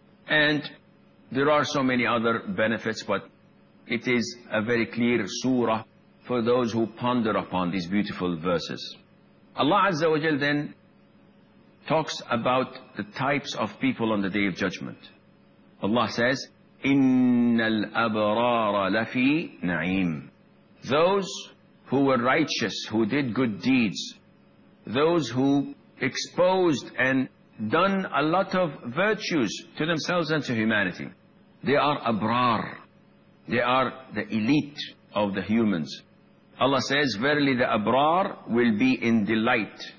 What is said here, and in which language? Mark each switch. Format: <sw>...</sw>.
<en>And there are so many other benefits, but it is a very clear surah for those who ponder upon these beautiful verses. Allah Azza wa Jal then talks about the types of people on the Day of Judgment.</en> <ar>Allah says, إِنَّ الْأَبْرَارَ لَفِي نَعِيمٍ.</ar> <en>Those who were righteous, who did good deeds, those who exposed and done a lot of virtues to themselves and to humanity, they are abrar. They are the elite of the humans. Allah says, verily the abrar will be in delight.</en>